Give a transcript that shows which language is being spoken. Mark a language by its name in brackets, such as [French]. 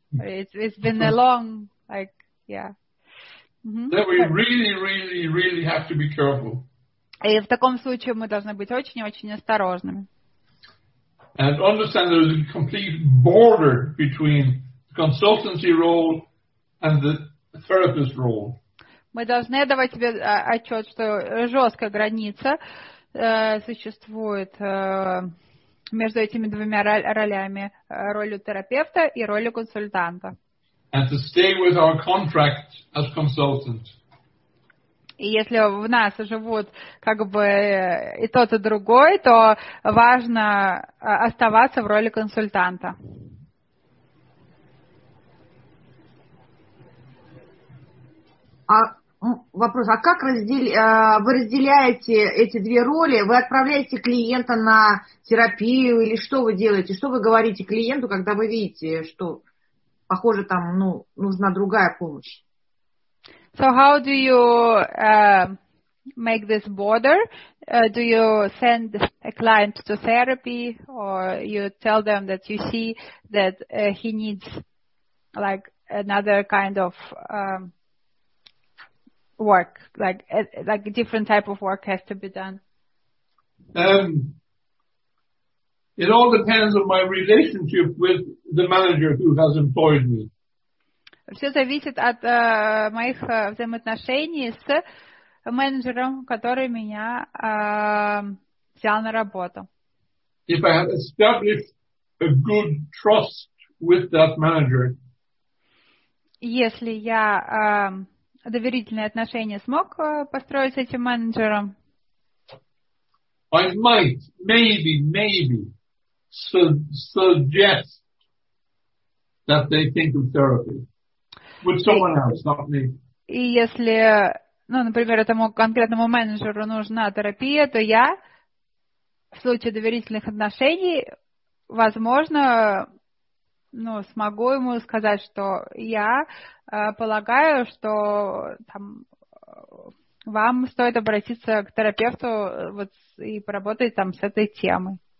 [English] It's been a long, like, yeah. Mm-hmm. That we really, really, really have to be careful. [Russian] И в таком случае мы должны быть очень-очень осторожными. [English] And understand there is a complete border between the consultancy role and the therapist role. [Russian] Мы должны давать себе отчет, что жесткая граница существует между этими двумя ролями, ролью терапевта и ролью консультанта. [English] And to stay with our contract as consultant. [Russian] И если в нас живут как бы и тот, и другой, то важно оставаться в роли консультанта. А вопрос, а как вы разделяете эти две роли? Вы отправляете клиента на терапию или что вы делаете? Что вы говорите клиенту, когда вы видите, что... Похоже, там, ну, нужна другая помощь. [English] So how do you make this border? Do you send a client to therapy or you tell them that you see that he needs like another kind of work, like a different type of work has to be done? It all depends on my relationship with the manager who has employed me. [Russian] Все зависит от моих взаимоотношений с менеджером, который меня взял на работу. [English] If I have established a good trust with that manager. [Russian] Если я доверительные отношения смог построить с этим менеджером. [English] I might, maybe. Suggest that they think of therapy with someone else, not me. [Russian] И если, ну, например, этому конкретному менеджеру нужна терапия, то я в случае доверительных отношений, возможно, ну, смогу ему сказать, что я полагаю, что там вам стоит обратиться к терапевту вот и поработать там с этой темой.